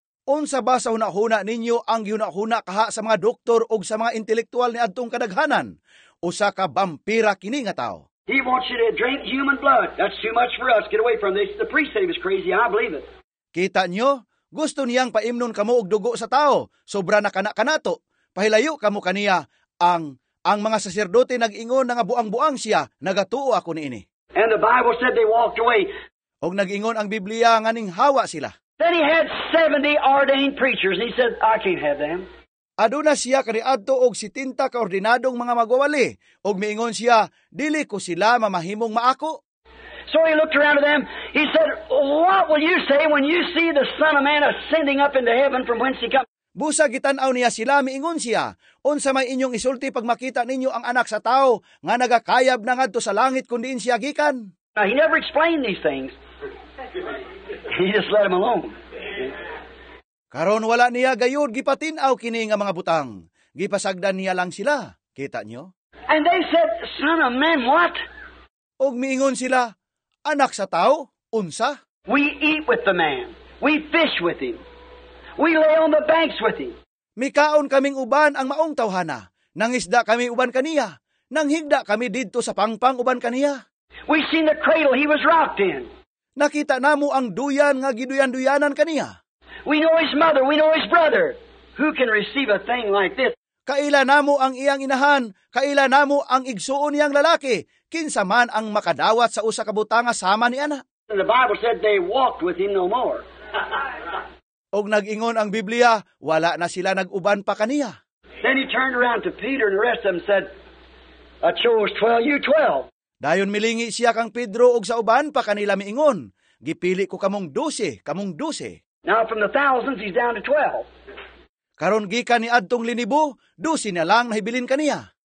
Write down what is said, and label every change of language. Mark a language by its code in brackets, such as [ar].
[ceb] Unsa ba sa hunahuna ninyo ang hunahuna kaha sa mga doktor o sa mga intelektual ni adtong kadaghanan? Usa ka vampira kini nga tao. [en] He wants you to drink human blood. That's too much for us. Get away from this. The priest said he was crazy. I believe it. [ceb] Kita nyo, gusto niyang paimnon kamo og dugo sa tao. Sobra na kanakanato. Pahilayo kamo kaniya. Ang mga saserdote nag-ingon na nga buang-buang siya, nagatuo ako niini. [en] And the Bible said they walked away. [ceb] Og nag-ingon ang Biblia nganing hawa sila. [en] Then he had 70 ordained preachers. He said, I can't have them. [ceb] Aduna siya kaniadto og 70 kaordinadong mga magwawali. Og miingon siya, dili ko sila mamahimong maako. [en] So he looked around at them. He said, what will you say when you see the Son of Man ascending up into heaven from whence he come? [ceb] Busa gitan-aw niya sila, miingon siya, unsa may inyong isulti pag makita ninyo ang anak sa tao nga nagakayab na ngadto sa langit kundi in siya gikan. [en] Now, he never explained these things. He just let him alone. [ceb] Karon wala niya gayud gipatin-aw kini nga mga butang. Gipasagdan niya lang sila. Kita nyo? [en] And they said, Son of Man, what? [ceb] Og miingon sila, anak sa tao, unsa? [en] We eat with the man. We fish with him. We lay on the banks with him. [ceb] Mikaon kaming uban ang maong tawhana. Nangisda kami uban kaniya. Nanghigda kami dito sa pangpang uban kaniya. [en] We seen the cradle he was rocked in. [ceb] Nakita namo ang duyan nga giduyan-duyanan kaniya. [en] We know his mother, we know his brother. Who can receive a thing like this? [ceb] Kaila namo ang iyang inahan, kaila namo ang igsuon niyang lalaki, kinsa man ang makadawat sa usa ka butanga sama ni ana. [en] And the Bible said they walked with him no more. [ceb] Og nag-ingon ang Biblia, wala na sila nag-uban pa kaniya. [en] Then he turned around to Peter and the rest of them said, I chose 12, you 12. [ceb] Dayon milingi siya kang Pedro og sa uban pa kanila miingon, gipili ko kamong 12, kamong 12. [en] Now from the thousands, he's down to 12. [ceb] Karon gikan ni adtong linibo, 12 na lang nahibilin kaniya.